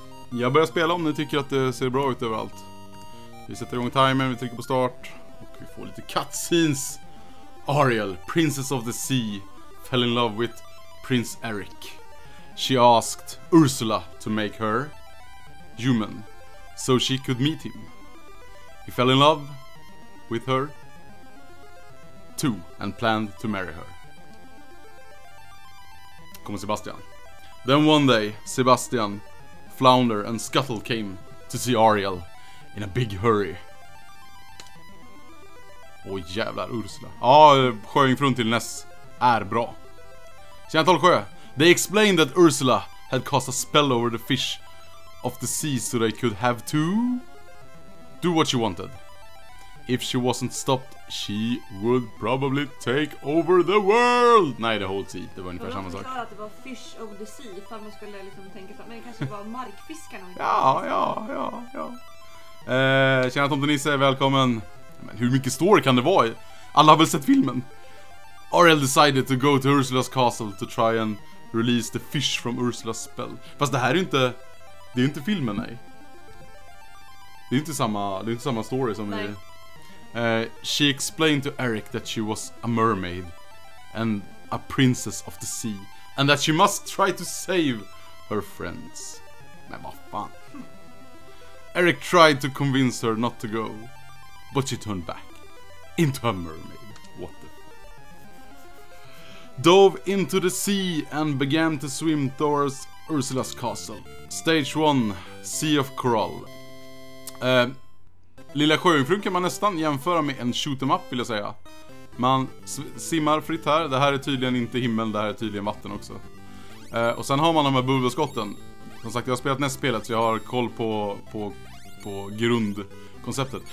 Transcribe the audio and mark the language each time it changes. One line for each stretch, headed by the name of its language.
Swedish: Jag börjar spela om ni tycker att det ser bra ut överallt. Vi sätter igång timern, vi trycker på start och vi får lite cutscenes.
English: Ariel, Princess of the Sea, fell in love with Prince Eric. She asked Ursula to make her human so she could meet him. He fell in love with her too and planned to marry her.
Swedish: Kommer Sebastian.
English: Then one day, Sebastian, Flounder and Scuttle came to see Ariel in a big hurry.
Swedish: Åh jävlar, Ursula. Ja, sjöjungfrun till Ness är bra. Tjena Tolsjö.
English: They explained that Ursula had cast a spell over the fish of the sea so they could have to do what she wanted. If she wasn't stopped, she would probably take over the world. Nej, the whole sea.
Swedish: Det var ungefär samma sak. Jag trodde att det var
English: fish of the sea,
Swedish: ifall man skulle liksom tänka så. Men det kanske var markfiskarna. Ja. Tjena Tomten Nisse, välkommen. Men hur mycket story kan det vara? Alla har väl sett filmen.
English: Ariel decided to go to Ursula's castle to try and release the fish from Ursula's spell.
Swedish: Fast det här är inte, det är inte filmen, nej. Det är inte samma, det är inte samma story som nej.
English: I she explained to Eric that she was a mermaid and a princess of the sea and that she must try to save her friends.
Swedish: Men vad fan.
English: Eric tried to convince her not to go, but she turned back into a mermaid. What the fuck? Dove into the sea and began to swim towards Ursula's castle. Stage 1, Sea of Coral.
Swedish: Lilla sjöjungfrun kan man nästan jämföra med en shoot-em-up, vill jag säga. Man simmar fritt här. Det här är tydligen inte himmel, det här är tydligen vatten också. Och sen har man de här bubbelskotten. Som sagt, jag har spelat NES-spelet så jag har koll på grundkonceptet.